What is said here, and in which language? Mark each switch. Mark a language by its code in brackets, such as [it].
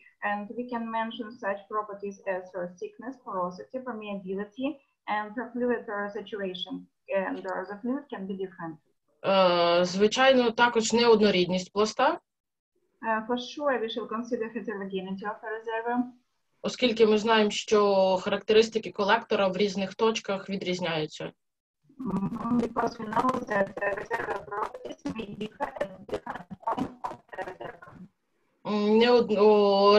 [en] And we can mention such properties as thickness, porosity, permeability, and fluid saturation. And the fluid can be different. [uk] Звичайно, також неоднорідність пласта. [en] For sure, we should consider heterogeneity of a reservoir. [uk] Оскільки ми знаємо, що характеристики колектора в різних точках відрізняються. [en] Because we know that the reservoir properties may differ at different points of the reservoir.